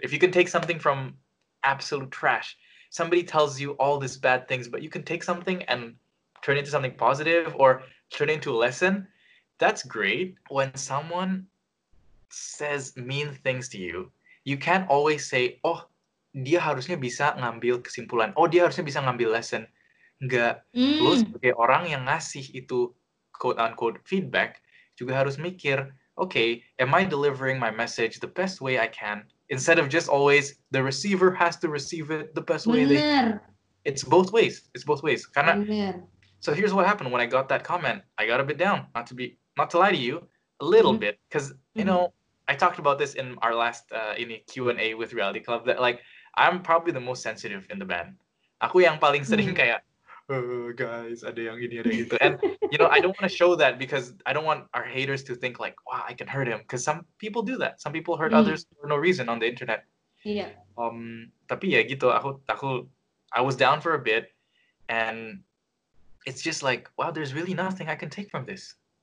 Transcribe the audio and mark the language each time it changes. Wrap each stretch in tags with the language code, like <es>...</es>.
<en>If you can take something from absolute trash, somebody tells you all these bad things, but you can take something and turn it into something positive or turn it into a lesson, that's great. When someone says mean things to you, you can't always say, oh,</en> <id>dia harusnya bisa ngambil kesimpulan. Oh, dia harusnya bisa ngambil lesson. Enggak. Lu sebagai orang yang ngasih itu quote-unquote feedback, juga harus mikir,</id> <en>okay, am I delivering my message the best way I can? Instead of just always, the receiver has to receive it the best way.</en> <id>Bener.</id> <en>They... It's both ways. It's both ways.</en> <id>Karena... Bener.</id> <en>So here's what happened when I got that comment. I got a bit down, not to lie to you, a little bit. Because, you know, I talked about this in our last in a Q&A with Reality Club, that like, I'm probably the most sensitive in the band.</en> <id>Aku yang paling sering kayak, guys, ada yang ini, ada itu.</id> <en>And, you know, I don't want to show that because I don't want our haters to think like, wow, I can hurt him. Because some people do that. Some people hurt others for no reason on the internet. Yeah.</en> <id>Tapi ya gitu,</id> <en>I was down for a bit. And it's just like, wow, there's really nothing I can take from this.</en>